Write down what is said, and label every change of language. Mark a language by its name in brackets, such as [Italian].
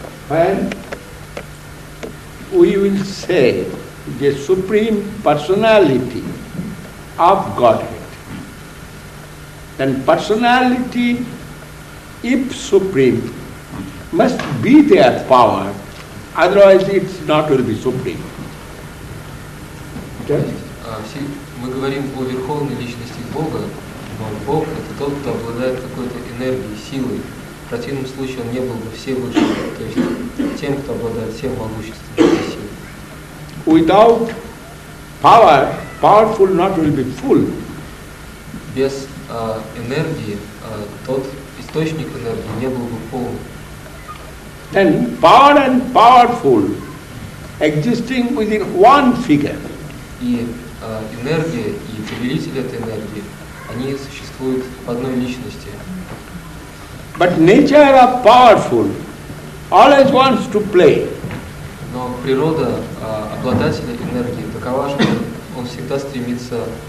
[English] When we will say the Supreme Personality of Godhead, then personality, if supreme, must be their power, otherwise it's not going to be supreme. [Russian] Мы говорим о верховной личности Бога, но Бог – это тот, кто обладает какой-то энергией, силой. В противном случае он не был бы всевышним, то есть тем, кто обладает всем могуществом и силой. [English] Without power, powerful not will be full. [Russian] Без энергии, тот источник энергии не был бы полным. [English] Then power and powerful existing within one figure. [Russian] И энергия и повелитель этой энергии, они существуют в одной личности. [English] But nature of powerful always wants to play. [Russian] Но природа обладателя энергии такова, что он всегда стремится